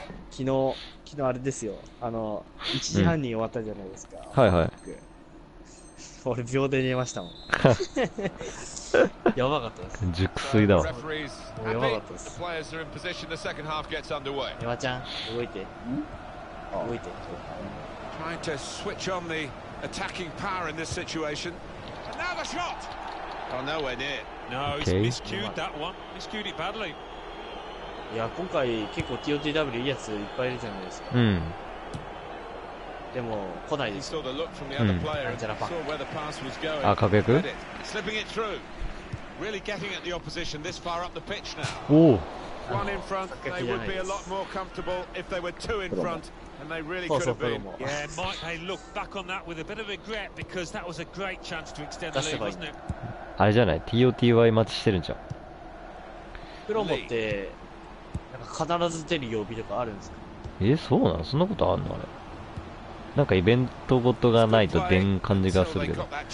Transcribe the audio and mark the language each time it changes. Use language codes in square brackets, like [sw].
[ja] 昨日あれですよ、あの1時半に終わったじゃないですか、うん、はいはい、俺秒で寝ましたもんやばかったです熟睡だわ、もうやばかったです。ヤマちゃん動いて、ん動いて、 [en] trying to switch on the attacking power in this situation. And now the shot! Oh, nowhere near. No, he's miscued that one. Miscued it badly. [ja] いや、今回結構 TOTW いいやついっぱいいるじゃないですか。うん。でも、来ないです。うん。アンジェラパック。アンジェラパック。あ、確約？ [en] Slipping it through. Really getting at the opposition this far up the pitch now. [ja] おぉ。 [en] One in front, they would be a lot more comfortable if they were two in front. And they really could have been. Yeah, Mike, they look back on that with a bit of regret because that was a great chance to extend the lead, wasn't it? [ja] あれじゃない ?TOTY 待ちしてるんじゃん。プロモって、なんか必ず出る曜日とかあるんですか？え、そうなの？そんなことあんの？あれ。なんかイベントごとがないと出ん感じがするけど。